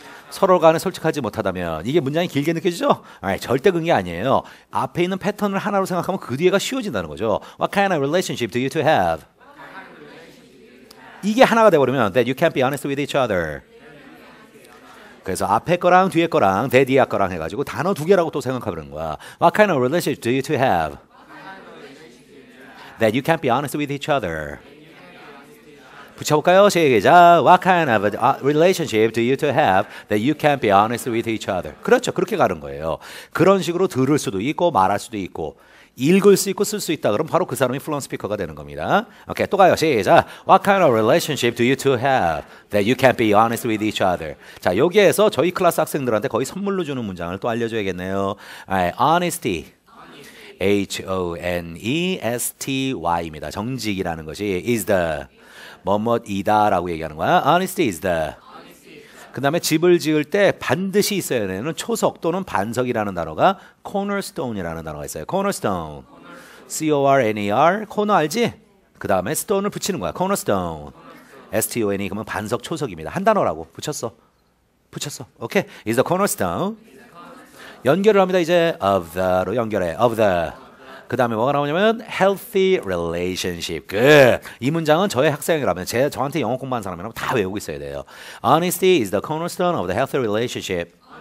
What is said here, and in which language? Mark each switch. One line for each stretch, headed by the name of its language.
Korean: 서로 간에 솔직하지 못하다면 이게 문장이 길게 느껴지죠? 아니, 절대 그런 게 아니에요. 앞에 있는 패턴을 하나로 생각하면 그 뒤에가 쉬워진다는 거죠.
English: What kind of relationship do you two have?
Korean: 이게 하나가 돼버리면
English: that you can't be honest with each other.
Korean: 그래서 앞에 거랑 뒤에 거랑 대디아 거랑 해가지고 단어 두 개라고 또 생각하는 거야.
English: What kind of relationship do you two have? That you can't be honest with each other.
Korean: 붙여볼까요? 시작.
English: What kind of a relationship do you two have that you can't be honest with each other?
Korean: 그렇죠. 그렇게 가는 거예요. 그런 식으로 들을 수도 있고 말할 수도 있고 읽을 수 있고 쓸 수 있다 그러면 바로 그 사람이
English: fluent speaker
Korean: 가 되는 겁니다. 오케이, 또 가요. 시작.
English: What kind of relationship do you two have that you can't be honest with each other?
Korean: 자, 여기에서 저희 클래스 학생들한테 거의 선물로 주는 문장을 또 알려줘야겠네요.
English: Right, honesty. H-O-N-E-S-T-Y입니다.
Korean: 정직이라는 것이 is the 뭐뭐이다 라고 얘기하는 거야.
English: Honesty is the.
Korean: 그 다음에 집을 지을 때 반드시 있어야 되는 초석 또는 반석이라는 단어가 cornerstone이라는 단어가 있어요. Cornerstone. C-O-R-N-E-R. 코너 알지? 그 다음에 stone을 붙이는 거야. Cornerstone. S-T-O-N-E 그러면 반석 초석입니다. 한 단어라고 붙였어. 붙였어. 오케이. Okay.
English: Is the cornerstone.
Korean: 연결을 합니다. 이제 of the로 연결해. Of the. 그 다음에 뭐가 나오냐면
English: healthy relationship.
Korean: 그 이 문장은 저의 학생이라면 저한테 영어 공부하는 사람이라면 다 외우고 있어야 돼요.
English: Honesty is the cornerstone of the healthy relationship.